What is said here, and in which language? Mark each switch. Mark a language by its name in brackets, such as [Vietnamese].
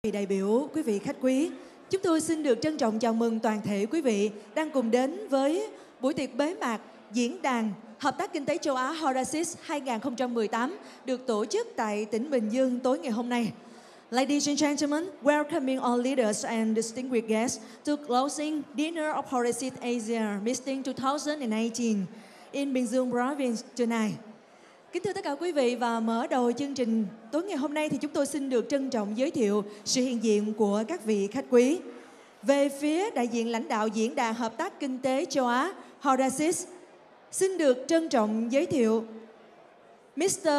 [Vietnamese] Vị đại biểu, quý vị khách quý, chúng tôi xin được trân trọng chào mừng toàn thể quý vị đang cùng đến với buổi tiệc bế mạc diễn đàn Hợp tác Kinh tế Châu Á Horacis 2018 được tổ chức tại tỉnh Bình Dương tối ngày hôm nay. [English] Ladies and gentlemen, welcoming all leaders and distinguished guests to closing dinner of Horacis Asia meeting 2018 in Bình Dương province tonight. [Vietnamese] Kính thưa tất cả quý vị, và mở đầu chương trình tối ngày hôm nay thì chúng tôi xin được trân trọng giới thiệu sự hiện diện của các vị khách quý. Về phía đại diện lãnh đạo diễn đàn Hợp tác Kinh tế Châu Á Horacis, xin được trân trọng giới thiệu Mr.